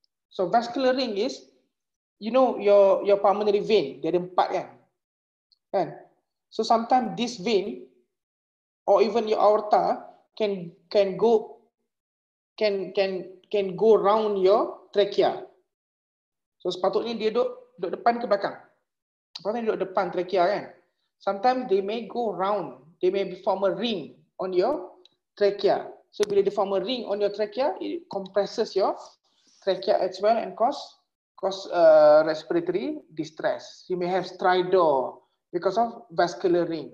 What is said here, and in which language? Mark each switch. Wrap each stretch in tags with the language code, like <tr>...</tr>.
<en>So vascular ring is, you know, your pulmonary vein,</en> <ms>dia ada empat kan? Kan?</ms> <en>So sometimes this vein or even your aorta can go round your trachea.</en> <ms>So sepatutnya dia duduk depan ke belakang? Sepatutnya duduk depan trachea kan?</ms> <en>Sometimes they may go round. They may form a ring on your trachea. So bila they form a ring on your trachea, it compresses your trachea as well and cause respiratory distress. You may have stridor because of vascular ring.</en>